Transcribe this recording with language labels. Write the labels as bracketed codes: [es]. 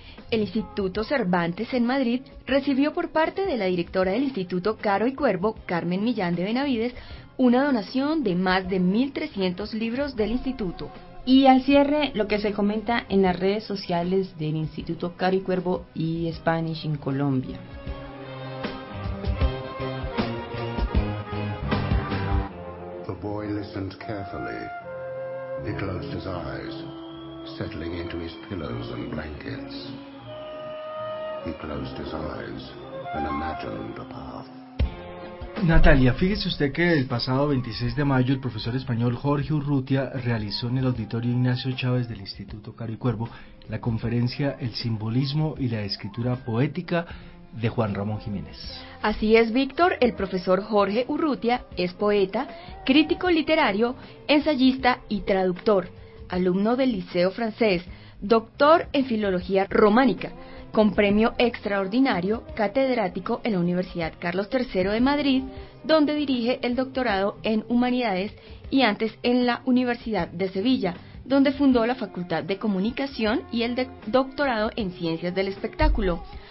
[es] El Instituto Cervantes en Madrid recibió por parte de la directora del Instituto Caro y Cuervo, Carmen Millán de Benavides, una donación de más de 1.300 libros del Instituto. Y al cierre, lo que se comenta en las redes sociales del Instituto Caro y Cuervo y Spanish in Colombia. [en] The boy listened carefully. He closed his eyes, settling into his pillows and blankets. He closed his eyes and imagined a path. [es] Natalia, fíjese usted que el pasado 26 de mayo el profesor español Jorge Urrutia realizó en el Auditorio Ignacio Chávez del Instituto Caro y Cuervo la conferencia El simbolismo y la escritura poética de Juan Ramón Jiménez. Así es, Víctor, el profesor Jorge Urrutia es poeta, crítico literario, ensayista y traductor, alumno del Liceo Francés, doctor en filología románica, con premio extraordinario, catedrático en la Universidad Carlos III de Madrid, donde dirige el doctorado en Humanidades, y antes en la Universidad de Sevilla, donde fundó la Facultad de Comunicación y el doctorado en Ciencias del Espectáculo.